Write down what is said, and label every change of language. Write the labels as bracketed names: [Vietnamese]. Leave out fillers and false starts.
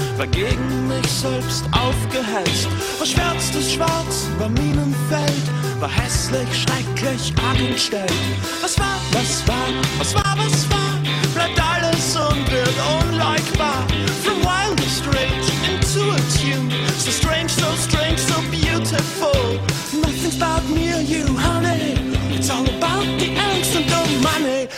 [German] Gegen mich selbst aufgehetzt. War schwärztes Schwarz, war Minenfeld. War hässlich, schrecklich, angestellt. Was war, was war, was war, was war. Bleibt alles und wird unleugbar. [English] From wild and strange into a tune. So strange, so beautiful. Nothing's about me or you, honey. It's all about the angst and the money.